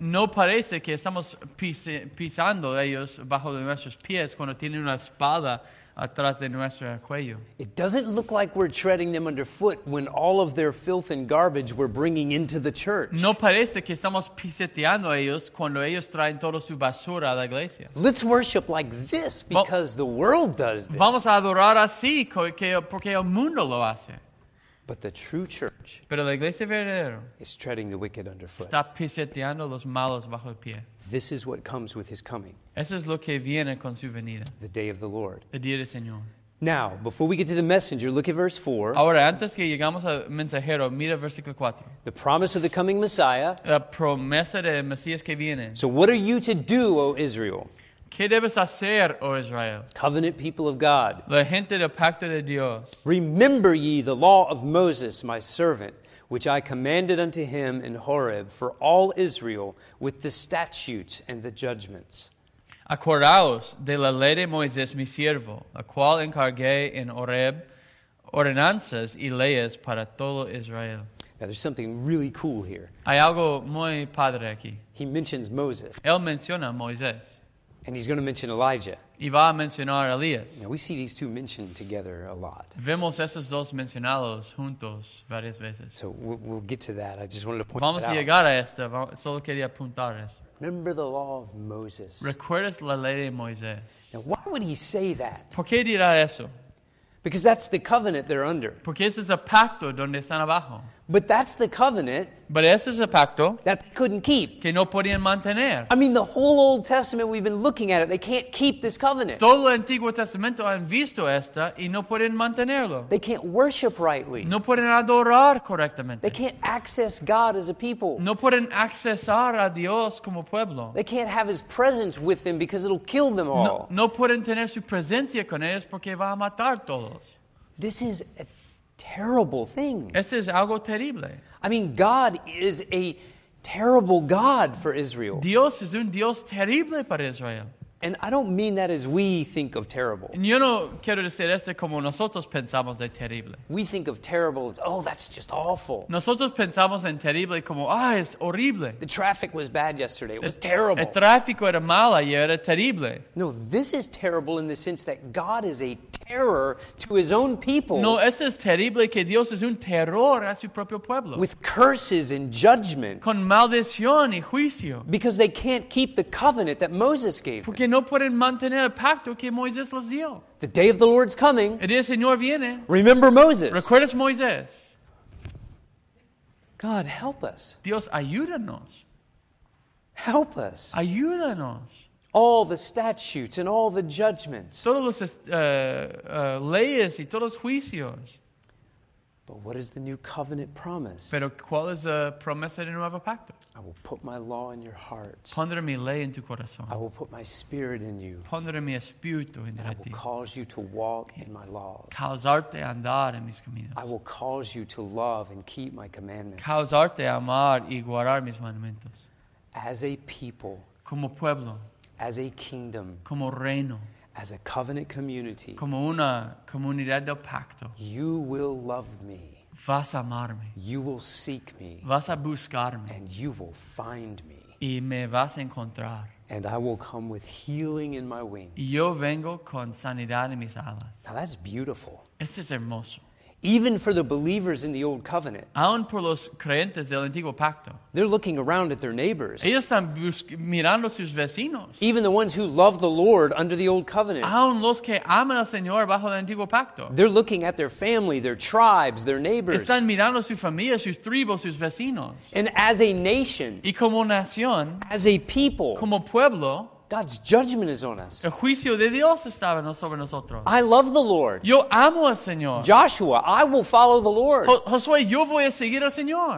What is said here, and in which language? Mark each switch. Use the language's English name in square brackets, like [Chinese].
[Spanish] No parece que estamos pisando ellos abajo de nuestros pies cuando tienen una espada atrás de nuestro cuello. [English] It doesn't look like we're treading them underfoot when all of their filth and garbage we're bringing into the church. [Spanish] No parece que estamos pisoteando ellos cuando ellos traen toda su basura a la iglesia. [English] Let's worship like this because the world does this. [Spanish] Vamos a adorar así porque el mundo lo hace. [English] But the true church, [Spanish] pero la iglesia verdadera, [English] is treading the wicked underfoot. [Spanish] Está pisoteando los malos bajo el pie. [English] This is what comes with his coming. [Spanish] Eso es lo que viene con su venida. [English] The day of the Lord. [Spanish] El día del Señor. [English] Now, before we get to the messenger, look at verse 4. [Spanish] Ahora, antes que llegamos al mensajero, mira versículo 4. [English] The promise of the coming Messiah. [Spanish] La promesa del Mesías que viene. [English] So what are you to do, O Israel? [Spanish] ¿Qué debes hacer, oh Israel? [English] Covenant people of God. [Spanish] La gente del pacto de Dios. [English] Remember ye the law of Moses, my servant, which I commanded unto him in Horeb for all Israel with the statutes and the judgments. [Spanish] Acordaos de la ley de Moisés, mi siervo, la cual encargué en Horeb ordenanzas y leyes para todo Israel. [English] Now there's something really cool here. [Spanish] Hay algo muy padre aquí. [English] He mentions Moses. [Spanish] Él menciona a Moisés. [English] And he's going to mention Elijah. [Spanish] Y va a mencionar Elías. [English] Now we see these two mentioned together a lot. [Spanish] Vemos esos dos mencionados juntos varias veces. [English] So we'll get to that. I just wanted to point that out. [Spanish] Vamos a llegar a esto. Solo quería apuntar esto. [English] Remember the law of Moses. [Spanish] Recuerdas la ley de Moisés. [English] Now why would he say that? [Spanish] ¿Por qué dirá eso? [English] Because that's the covenant they're under. [Spanish] Porque ese es el pacto donde están abajo. [English] But that's the covenant. But [Spanish] ese es el pacto [English] that they couldn't keep. [Spanish] Que no podían mantener. [English] I mean, the whole Old Testament we've been looking at it. They can't keep this covenant. [Spanish] Todo el Antiguo Testamento han visto esta y no pueden mantenerlo. [English] They can't worship rightly. [Spanish] No pueden adorar correctamente. [English] They can't access God as a people. [Spanish] No pueden accesar a Dios como pueblo. [English] They can't have His presence with them because it'll kill them all. [Spanish] No pueden tener su presencia con ellos porque va a matar todos. [English] This is a terrible thing. [Spanish] Eso es algo terrible. [English] I mean, God is a terrible God for Israel. [Spanish] Dios es un Dios terrible para Israel. [English] And I don't mean that as we think of terrible. [Spanish] Yo no quiero decir esto como nosotros pensamos de terrible. [English] We think of terrible as, oh, that's just awful. [Spanish] Nosotros pensamos en terrible como, ah, es horrible. [English] The traffic was bad yesterday. It was terrible. [Spanish] El tráfico era malo y era terrible. [English] No, this is terrible in the sense that God is a terror to his own people. [Spanish] No, eso es terrible que Dios es un terror a su propio pueblo. [English] With curses and judgment. [Spanish] Con maldición y juicio. [English] Because they can't keep the covenant that Moses gave them. [Spanish] Que no pueden mantener el pacto que Moisés les dio. [English] The day of the Lord's coming. [Spanish] El día Señor viene. [English] Remember Moses. [Spanish] Recuerda Moisés. [English] God, help us. [Spanish] Dios, ayúdanos. [English] Help us. [Spanish] Ayúdanos. [English] All the statutes and all the judgments. [Spanish] Todos los leyes y todos los juicios. [English] But what is the new covenant promise? [Spanish] Pero ¿cuál es la promesa del nuevo pacto? [English] I will put my law in your heart. [Spanish] Pondré mi ley en tu corazón. [English] I will put my spirit in you. [Spanish] Pondré mi espíritu en ti. [English] And I will cause you to walk in my laws. [Spanish] Causarte a andar en mis caminos. [English] I will cause you to love and keep my commandments. [Spanish] Causarte a amar y guardar mis mandamientos. [English] As a people. [Spanish] Como pueblo. [English] As a kingdom. [Spanish] Como reino. [English] As a covenant community. [Spanish] Como una comunidad del pacto. [English] You will love me. [Spanish] Vas a amarme. [English] You will seek me. [Spanish] Vas a buscarme. [English] And you will find me. [Spanish] Y me vas a encontrar. [English] And I will come with healing in my wings. [Spanish] Y yo vengo con sanidad en mis alas. [English] Now that's beautiful. [Spanish] Eso es hermoso. [English] Even for the believers in the old covenant. [Spanish] Aún por los creyentes del antiguo pacto. [English] They're looking around at their neighbors. [Spanish] Ellos están mirando sus vecinos. [English] Even the ones who love the Lord under the old covenant. [Spanish] Aún los que aman al Señor bajo el antiguo pacto. [English] They're looking at their family, their tribes, their neighbors. [Spanish] Están mirando su familia, sus tribus, sus vecinos. [English] And as a nation. [Spanish] Y como nación. [English] As a people. [Spanish] Como pueblo. [English] God's judgment is on us. [Spanish] El juicio de Dios estaba sobre nosotros. [English] I love the Lord. [Spanish] Yo amo al Señor. [English] Joshua, I will follow the Lord. [Spanish] Josué, yo voy a seguir al Señor.